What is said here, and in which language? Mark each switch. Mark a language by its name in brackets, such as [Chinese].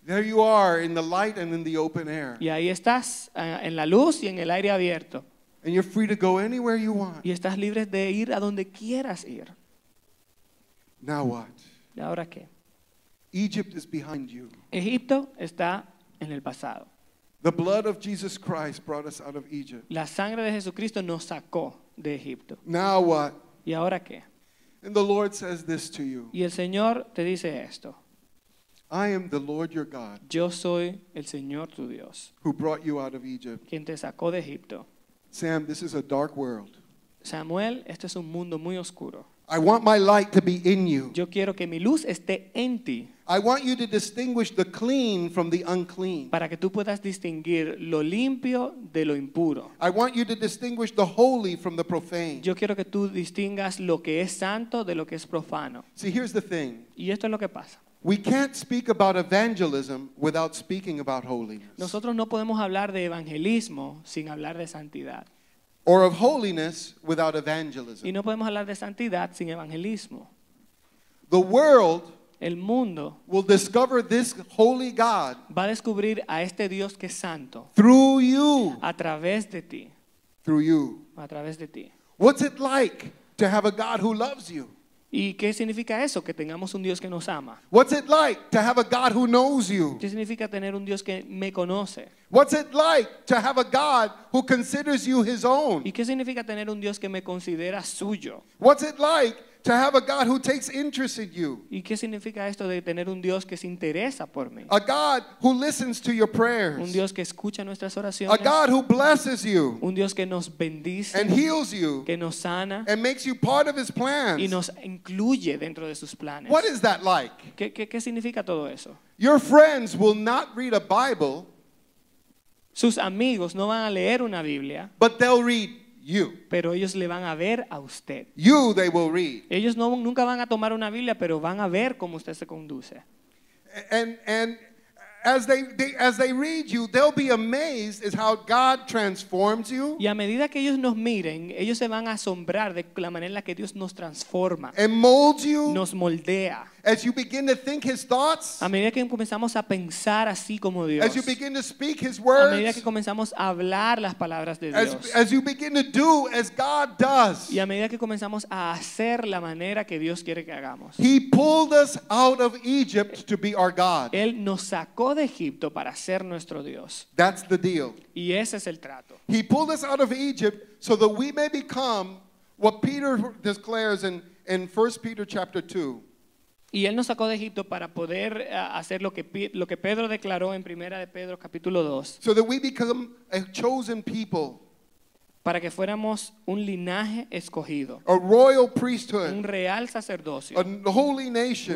[English] There you are in the light and in the open air. [Spanish] Y ahí estás en la luz y en el aire abierto. [English] And you're free to go anywhere you want. [Spanish] Y estás libres de ir a donde quieras ir. [English] Now what? [Spanish] ¿Y ahora qué? [English] Egypt is behind you. [Spanish] Egipto está en el pasado. [English] The blood of Jesus Christ brought us out of Egypt. [Spanish] La sangre de Jesucristo nos sacó de Egipto. [English] Now what? [Spanish] ¿Y ahora qué? [English] And the Lord says this to you. [Spanish] Y el Señor te dice esto. [English] I am the Lord your God. [Spanish] Yo soy el Señor tu Dios. [English] Who brought you out of Egypt. [Spanish] Quien te sacó de Egipto. [English] Sam, this is a dark world. [Spanish] Samuel, este es un mundo muy oscuro. [English] I want my light to be in you. [Spanish] Yo quiero que mi luz esté en ti. [English] I want you to distinguish the clean from the unclean. [Spanish] Para que tú puedas distinguir lo limpio de lo impuro. [English] I want you to distinguish the holy from the profane. [Spanish] Yo quiero que tú distingas lo que es santo de lo que es profano. [English] See, here's the thing. [Spanish] Y esto es lo que pasa. [English] We can't speak about evangelism without speaking about holiness. [Spanish] Nosotros no podemos hablar de evangelismo sin hablar de santidad. [English] Or of holiness without evangelism. [Spanish] Y no podemos hablar de santidad sin evangelismo. [English] The world [Spanish] el mundo [English] will discover this holy God [Spanish] va a descubrir a este Dios que es santo [English] through you [Spanish] a través de ti [English] through you [Spanish] a través de ti. [English] What's it like to have a God who loves you? [Spanish] ¿Y qué significa eso que tengamos un Dios que nos ama? [English] What's it like to have a God who knows you? [Spanish] ¿Qué significa tener un Dios que me conoce? [English] What's it like to have a God who considers you his own? [Spanish] ¿Y qué significa tener un Dios que me considera suyo? [English] What's it like to have a God who takes interest in you? [Spanish] ¿Y qué significa esto de tener un Dios que se interesa por mí? [English] A God who listens to your prayers. [Spanish] Un Dios que escucha nuestras oraciones. [English] A God who blesses you. [Spanish] Un Dios que nos bendice. [English] And heals you. [Spanish] Que nos sana. [English] And makes you part of his plans. [Spanish] Y nos incluye dentro de sus planes. [English] What is that like? [Spanish] ¿Qué significa todo eso? [English] Your friends will not read a Bible. [Spanish] Sus amigos no van a leer una Biblia. [English] But they'll read you. [Spanish] Pero ellos le van a ver a usted. [English] You they will read. [Spanish] Ellos no, nunca van a tomar una Biblia, pero van a ver cómo usted se conduce. [English] And as they read you, they'll be amazed at how God transforms you. [Spanish] Y a medida que ellos nos miren, ellos se van a asombrar de la manera en la que Dios nos transforma. [English] And molds you. [Spanish] Nos moldea. [English] As you begin to think his thoughts. [Spanish] A medida que comenzamos a pensar así como Dios. [English] As you begin to speak his words. [Spanish] A medida que comenzamos a hablar las palabras de Dios. [English] As you begin to do as God does. [Spanish] Y a medida que comenzamos a hacer la manera que Dios quiere que hagamos. [English] He pulled us out of Egypt to be our God. [Spanish] Él nos sacó de Egipto para ser nuestro Dios. [English] That's the deal. [Spanish] Y ese es el trato. [English] He pulled us out of Egypt so that we may become what Peter declares in 1 Peter chapter 2. [Spanish] Y él nos sacó de Egipto para poder hacer lo que Pedro declaró en Primera de Pedro capítulo 2. [English] So that we become a chosen people. [Spanish] Para que fuéramos un linaje escogido. [English] A royal priesthood. [Spanish] Un real sacerdocio. [English] A holy nation.